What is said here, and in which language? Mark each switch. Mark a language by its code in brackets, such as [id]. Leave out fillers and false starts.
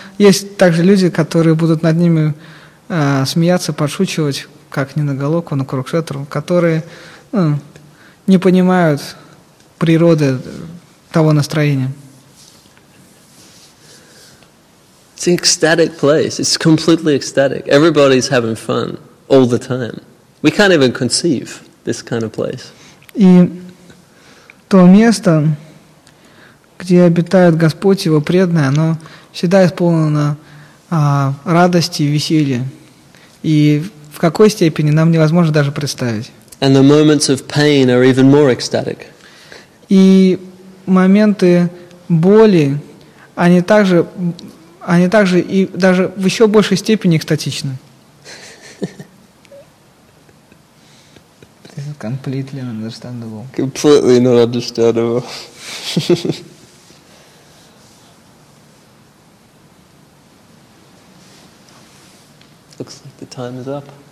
[ru] Есть также люди, которые будут над ними смеяться, подшучивать, как не на Галоку, на Курукшетру, которые ну, не понимают природы того настроения. [en] It's an ecstatic place. It's completely ecstatic. Everybody's having fun all the time. We can't even conceive this kind of place. [ru] И то место, где обитает Господь, Его преданное, оно всегда исполнено радости и веселья. И в какой степени, нам невозможно даже представить. [en] And the moments of pain are even more ecstatic. [ru] И моменты боли, они также и даже в еще большей степени экстатичны. [en] This is completely understandable. Completely not understandable. Looks like the time is up.